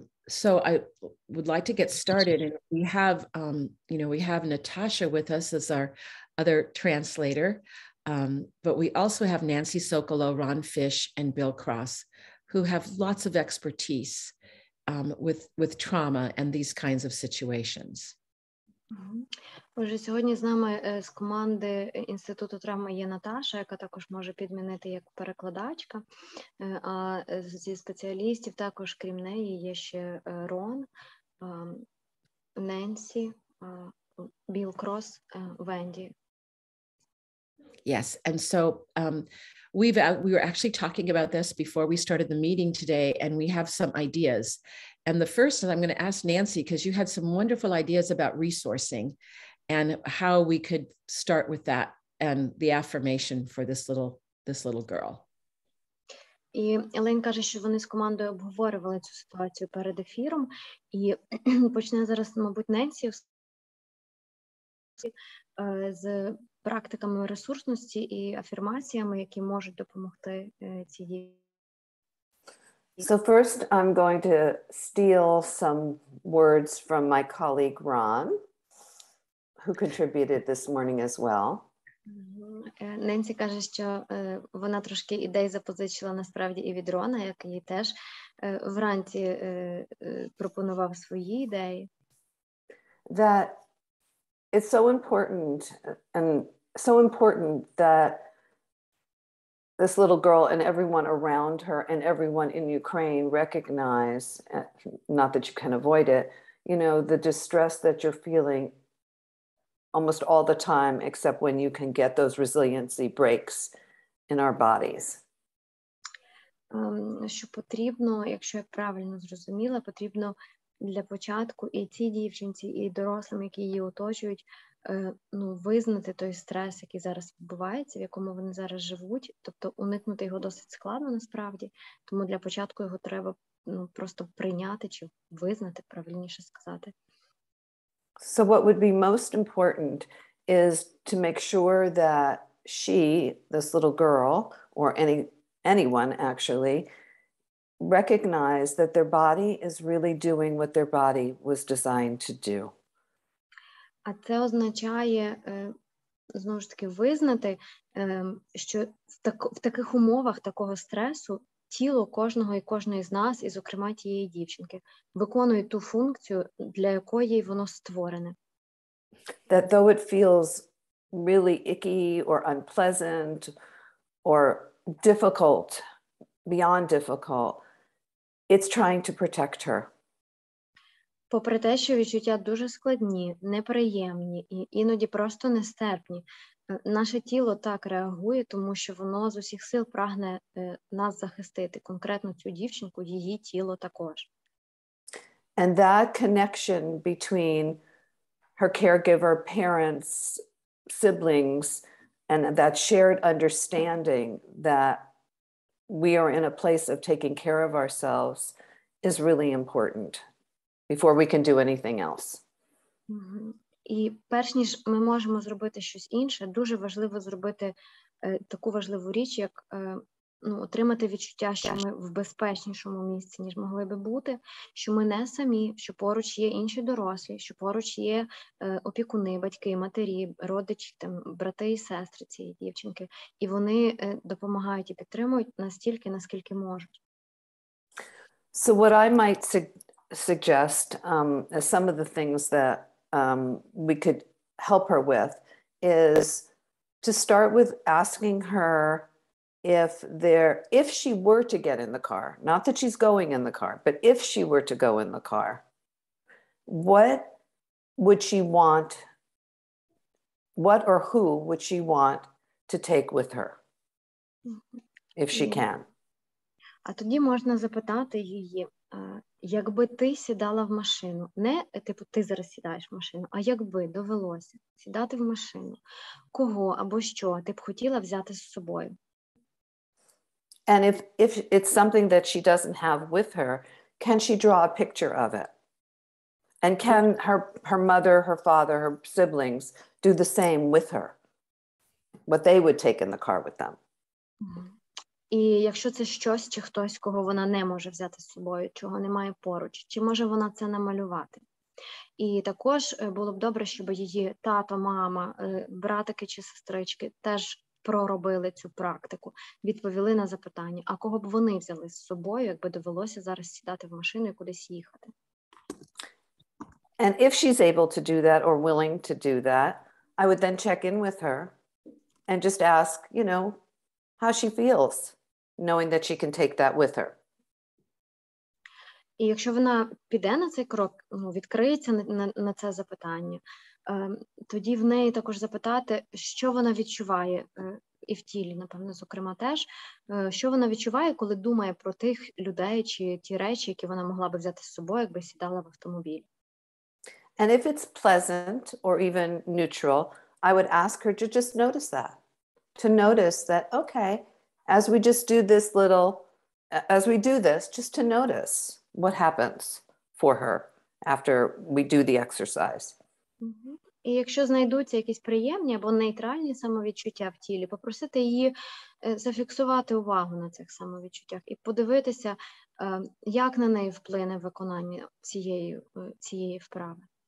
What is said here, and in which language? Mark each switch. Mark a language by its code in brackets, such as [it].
[en] So I would like to get started, and we have, you know, we have Natasha with us as our other translator, but we also have Nancy Sokolo, Ron Fish, and Bill Cross, who have lots of expertise with trauma and these kinds of situations. [uk] Отже, сьогодні з нами з команди Інституту травми є Наташа, яка також може підмінити як перекладачка, а зі спеціалістів також, крім неї, є ще Рон, Ненсі, Білл Крос, Венді. [en] Yes, and so we were actually talking about this before we started the meeting today, and we have some ideas. And the first is I'm going to ask Nancy, because you had some wonderful ideas about resourcing and how we could start with that and the affirmation for this little girl. [uk] І Елен каже, що вони з командою обговорювали цю ситуацію перед ефіром. І почне зараз, мабуть, Ненсі з практиками ресурсності і афірмаціями, які можуть допомогти цій. [en] So first, I'm going to steal some words from my colleague, Ron, who contributed this morning as well. [uk] Ненсі каже, що вона трошки ідей запозичила насправді і від Рона, який теж вранці пропонував свої ідеї. [en] That it's so important that this little girl and everyone around her and everyone in Ukraine recognize, not that you can avoid it, you know, the distress that you're feeling almost all the time, except when you can get those resiliency breaks in our bodies. [uk] Що потрібно, якщо я правильно зрозуміла, потрібно для початку і цій дівчинці, і дорослим, які її оточують, ну, визнати той стрес, який зараз відбувається, в якому вони зараз живуть, тобто уникнути його досить складно насправді, тому для початку його треба ну, просто прийняти чи визнати, правильніше сказати. [en] So what would be most important is to make sure that she, this little girl, or anyone actually, recognize that their body is really doing what their body was designed to do. [uk] А це означає знову ж таки, визнати, що в таких умовах такого стресу тіло кожного і кожної з нас, і, зокрема, тієї дівчинки, виконує ту функцію, для якої воно створене. [en] That though it feels really icky or unpleasant or difficult, beyond difficult, it's trying to protect her. [uk] Попри те, що відчуття дуже складні, неприємні і іноді просто нестерпні, наше тіло так реагує, тому що воно з усіх сил прагне нас захистити, конкретно цю дівчинку, її тіло також. [en] And that connection between her caregiver, parents, siblings, and that shared understanding that we are in a place of taking care of ourselves is really important before we can do anything else. [uk] І перш ніж ми можемо зробити щось інше, дуже важливо зробити таку важливу річ, як отримати відчуття, що ми в безпечнішому місці, ніж могли би бути, що ми не самі, що поруч є інші дорослі, що поруч є опікуни, батьки, матері, родичі, там, брати і сестри цієї дівчинки. І вони допомагають і підтримують настільки, наскільки можуть. [en] So what I might suggest, some of the things that we could help her with, is to start with asking her if she were to get in the car, not that she's going in the car, but if she were to go in the car, what would she want, what or who would she want to take with her, if she can? [uk] А тоді можна запитати її, якби ти сідала в машину, не типу ти зараз сідаєш в машину, а якби довелося сідати в машину, кого або що ти б хотіла взяти з собою? [en] And if it's something that she doesn't have with her, can she draw a picture of it? And can her mother, her father, her siblings do the same with her? What they would take in the car with them. [uk] І якщо це щось чи хтось, кого вона не може взяти з собою, чого немає поруч, чи може вона це намалювати? І також було б добре, щоб її тато, мама, братики чи сестрички теж проробили цю практику, відповіли на запитання, а кого б вони взяли з собою, якби довелося зараз сідати в машину і кудись їхати? [en] And if she's able to do that or willing to do that, I would then check in with her and just ask, you know, how she feels, knowing that she can take that with her. [uk] І якщо вона піде на цей крок, відкриється на це запитання, тоді в неї також запитати, що вона відчуває і в тілі, напевно, зокрема теж, що вона відчуває, коли думає про тих людей чи ті речі, які вона могла б взяти з собою, якби сідала в автомобіль. [en] And if it's pleasant or even neutral, I would ask her to just notice that. To notice that, okay, as we just do this little, as we do this, just to notice what happens for her after we do the exercise. [uk] І якщо знайдуться якісь приємні або нейтральні самовідчуття в тілі, попросити її зафіксувати увагу на цих самовідчуттях і подивитися, як на неї вплине виконання цієї вправи.